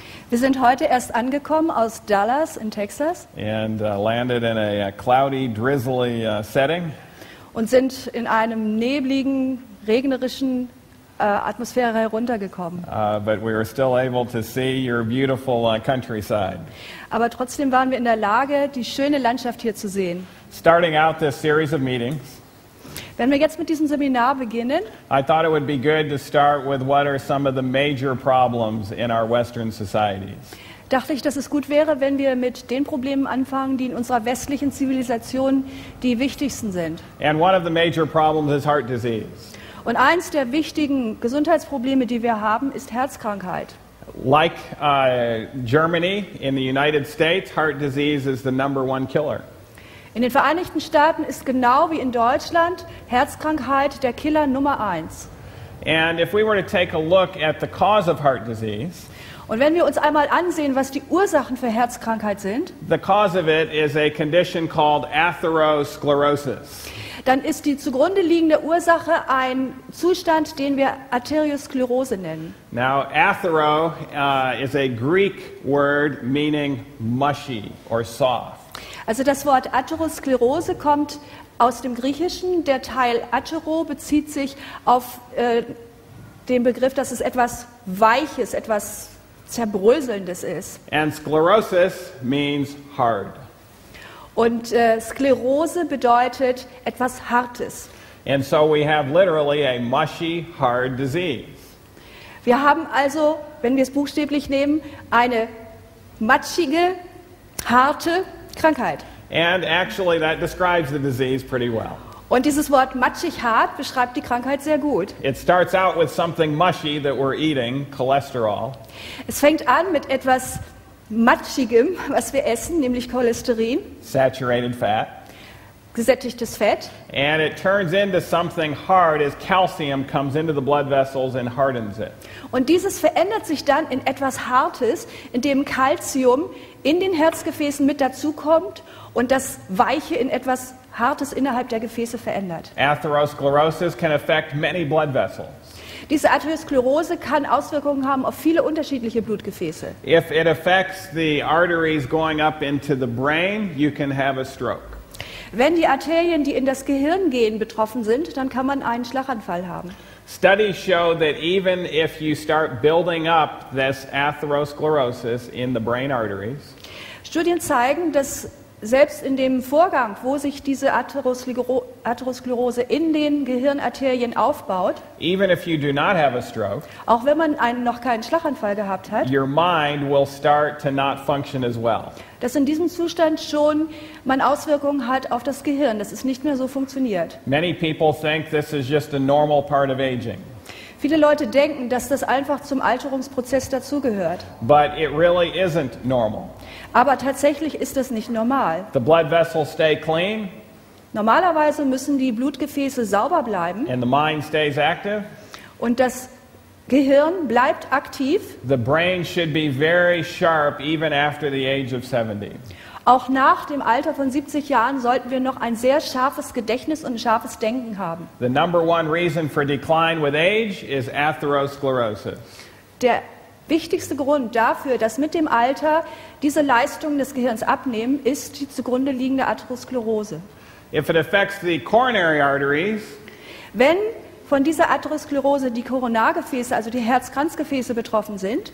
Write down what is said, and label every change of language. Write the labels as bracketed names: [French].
[German] Wir sind heute erst angekommen aus Dallas in Texas. [English] And landed in a cloudy, drizzly setting. [German] Und sind in einem nebligen, regnerischen Atmosphäre heruntergekommen. [English] But we were still able to see your beautiful countryside. [German] Aber trotzdem waren wir in der Lage, die schöne Landschaft hier zu sehen. [English] Starting out this series of meetings. [German] Wenn wir jetzt mit diesem Seminar beginnen. [English] I thought it would be good to start with what are some of the major problems in our Western societies. [German] Dachte ich, dass es gut wäre, wenn wir mit den Problemen anfangen, die in unserer westlichen Zivilisation die wichtigsten sind. [English] And one of the major problems is heart disease. [German] Und eins der wichtigen Gesundheitsprobleme, die wir haben, ist Herzkrankheit. [English] Like Germany in the United States, heart disease is the number one killer. [German] In den Vereinigten Staaten ist genau wie in Deutschland Herzkrankheit der Killer Nummer eins. [English] And if we were to take a look at the cause of heart disease, [German] und wenn wir uns einmal ansehen, was die Ursachen für Herzkrankheit sind, [English] the cause of it is a condition called atherosclerosis. [German] Dann ist die zugrunde liegende Ursache ein Zustand, den wir Arteriosklerose nennen. [English] Now, athero is a Greek word meaning mushy or soft. [German] Also das Wort Atherosklerose kommt aus dem Griechischen. Der Teil athero bezieht sich auf den Begriff, dass es etwas Weiches, etwas Zerbröselndes ist. [English] And sclerosis means hard. [German] Und Sklerose bedeutet etwas Hartes. [English] And so we have literally a mushy, hard disease. [German] Wir haben also, wenn wir es buchstäblich nehmen, eine matschige, harte Krankheit. [English] And actually that describes the disease pretty well. [German] Und dieses Wort matschig, hart beschreibt die Krankheit sehr gut. [English] It starts out with something mushy that we're eating, cholesterol. [German] Es fängt an mit etwas Matschigem, was wir essen, nämlich Cholesterin. [English] Saturated fat. [German] Gesättigtes Fett. [English] And it turns into something hard as calcium comes into the blood vessels and hardens it. [German] Und dieses verändert sich dann in etwas Hartes, indem Calcium in den Herzgefäßen mit dazukommt und das Weiche in etwas Hartes innerhalb der Gefäße verändert. [English] Atherosclerosis can affect many blood vessels. [German] Diese Arteriosklerose kann Auswirkungen haben auf viele unterschiedliche Blutgefäße. [English] If it affects the arteries going up into the brain, you can have a stroke. [German] Wenn die Arterien, die in das Gehirn gehen, betroffen sind, dann kann man einen Schlaganfall haben. [English] Studies show that even if you start building up this atherosclerosis in the brain arteries, [German] Studien zeigen, dass selbst in dem Vorgang, wo sich diese Atherosklerose in den Gehirnarterien aufbaut, [English] even if you do not have a stroke, [German] auch wenn man einen noch keinen Schlaganfall gehabt hat, [English] your mind will start to not function as well. [German] Dass in diesem Zustand schon man Auswirkungen hat auf das Gehirn, dass es nicht mehr so funktioniert. [English] Many people think this is just a normal part of aging. [German] Viele Leute denken, dass das einfach zum Alterungsprozess dazugehört. [English] But it really isn't normal. [German] Aber tatsächlich ist das nicht normal. [English] The blood vessels stay clean. [German] Normalerweise müssen die Blutgefäße sauber bleiben. [English] And the mind stays active. [German] Und das Gehirn bleibt aktiv. [English] The brain should be very sharp even after the age of 70. [German] Auch nach dem Alter von 70 Jahren sollten wir noch ein sehr scharfes Gedächtnis und ein scharfes Denken haben. [English] The number one reason for decline with age is atherosclerosis. [German] Der wichtigste Grund dafür, dass mit dem Alter diese Leistungen des Gehirns abnehmen, ist die zugrunde liegende Atherosklerose. [English] If it affects the coronary arteries, [German] wenn von dieser Atherosklerose die Koronargefäße, also die Herzkranzgefäße betroffen sind,